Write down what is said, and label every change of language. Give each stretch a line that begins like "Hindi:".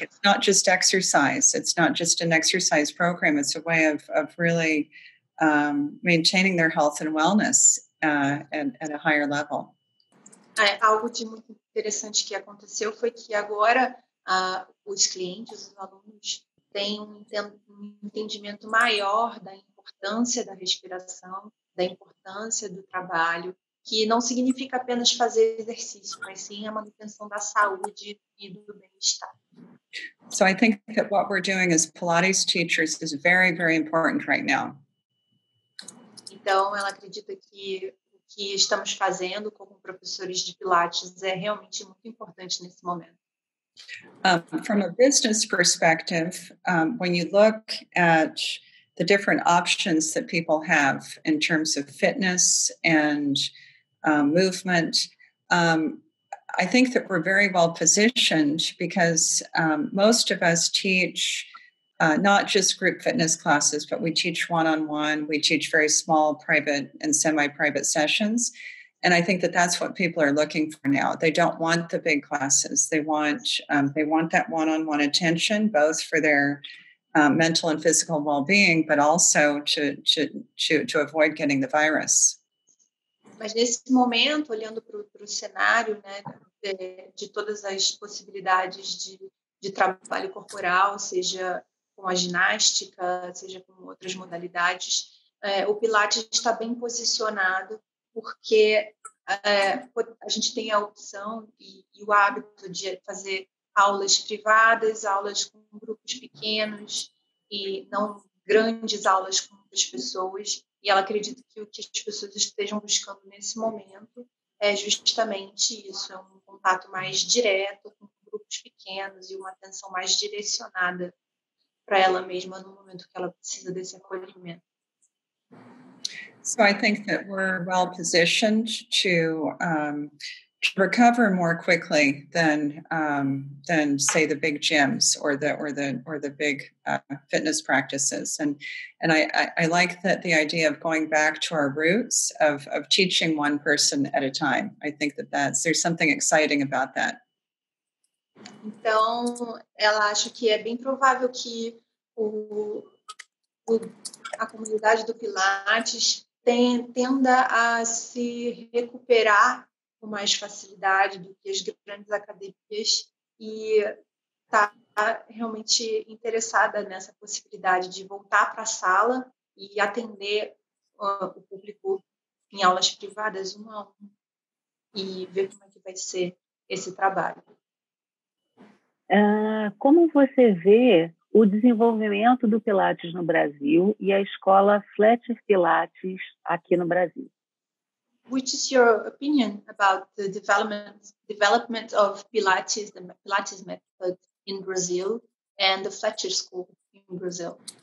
English: It's not just exercise. It's not just an exercise program. It's a way of really maintaining their health and wellness at a higher level.
Portuguese: Algo de muito interessante que aconteceu foi que agora... os clientes, os alunos, têm um entendimento maior da importância da respiração, da importância do trabalho, que não significa apenas fazer exercício, mas sim a manutenção da saúde e do bem-estar.
English: So I think that what we're doing as Pilates teachers is very, very important right now.
Portuguese: Então, ela acredita que o que estamos fazendo como professores de Pilates é realmente muito importante nesse momento.
English: From a business perspective, when you look at the different options that people have in terms of fitness and movement, I think that we're very well positioned because most of us teach not just group fitness classes, but we teach one-on-one, we teach very small private and semi-private sessions. And I think that that's what people are looking for now. They don't want the big classes. They want that one-on-one attention, both for their mental and physical well-being, but also to avoid getting the virus.
Portuguese: Mas nesse momento, olhando para o cenário, né, de todas as possibilidades de trabalho corporal, seja com a ginástica, seja com outras modalidades, o Pilates está bem posicionado porque a gente tem a opção e o hábito de fazer aulas privadas, aulas com grupos pequenos e não grandes aulas com muitas pessoas. E ela acredita que o que as pessoas estejam buscando nesse momento é justamente isso, é um contato mais direto com grupos pequenos e uma atenção mais direcionada para ela mesma no momento que ela precisa desse acolhimento.
English: So I think that we're well positioned to recover more quickly than say the big gyms or the big fitness practices. And I like that the idea of going back to our roots of teaching one person at a time. I think that there's something exciting about that.
Portuguese: Então, ela acha que é bem provável que a comunidade do Pilates tenda a se recuperar com mais facilidade do que as grandes academias e está realmente interessada nessa possibilidade de voltar para a sala e atender o público em aulas privadas um a um e ver como é que vai ser esse trabalho. Como você vê o desenvolvimento do Pilates no Brasil e a escola Fletcher Pilates aqui no Brasil?
English: Which is your opinion about the development of Pilates, the Pilates method in Brazil and the Fletcher School in Brazil?